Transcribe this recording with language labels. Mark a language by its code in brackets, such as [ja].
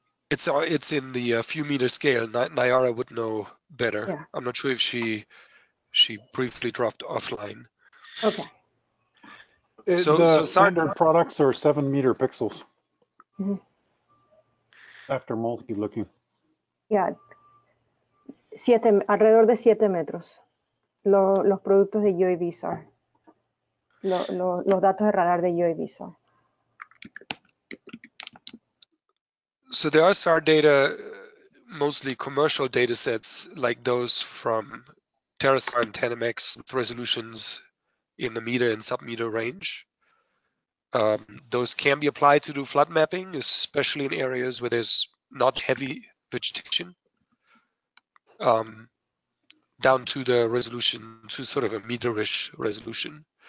[en] It's in the few meter scale. Nayara would know better. Yeah. I'm not sure if she briefly dropped offline. Okay. So The SAR. standard products are 7 meter pixels after multi-looking. [es] Yeah. Alrededor de 7 metros. Los productos de UAV SAR. Los datos de radar de UAV SAR. [en] So there are SAR data, mostly commercial data sets like those from TerraSAR and TenMX with resolutions in the meter and submeter range. Those can be applied to do flood mapping, especially in areas where there's not heavy vegetation, down to the resolution, to sort of a meterish resolution.